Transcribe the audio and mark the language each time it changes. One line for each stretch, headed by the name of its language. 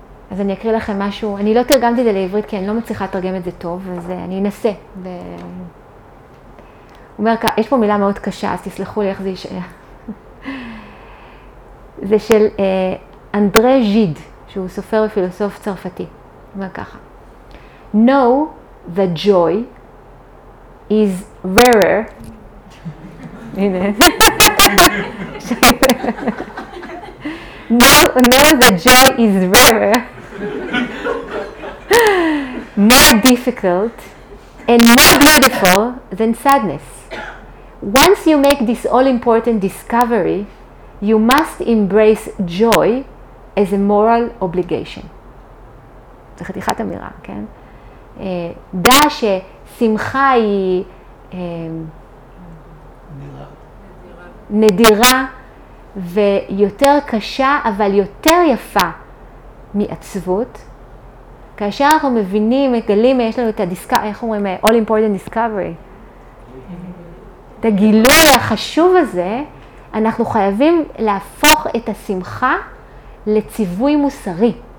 Hebrew: אז אני אקריא לכם משהו, אני לא תרגמתי את זה לעברית כי אני לא מצליחה לתרגם את זה טוב, אז אני אנסה. אומר, יש פה מילה מאוד קשה, אז תסלחו לי איך זה יישאר. זה של אנדרה ז'יד, שהוא סופר ופילוסוף צרפתי. אומר ככה,
English: Know that joy is rarer.
Hebrew: הנה.
English: Know that joy is rarer, more difficult and more beautiful than sadness. Once you make this all-important discovery, you must embrace joy as a moral obligation.
Hebrew: זה חתיכת אמירה, כן? דע ששמחה היא נדירה ויותר קשה אבל יותר יפה מעצבות. כאשר אנחנו מבינים, מגלים, יש לנו את איך אומרים,
English: all important discovery,
Hebrew: את הגילוי החשוב הזה, אנחנו חייבים להפוך את השמחה לציווי מוסרי.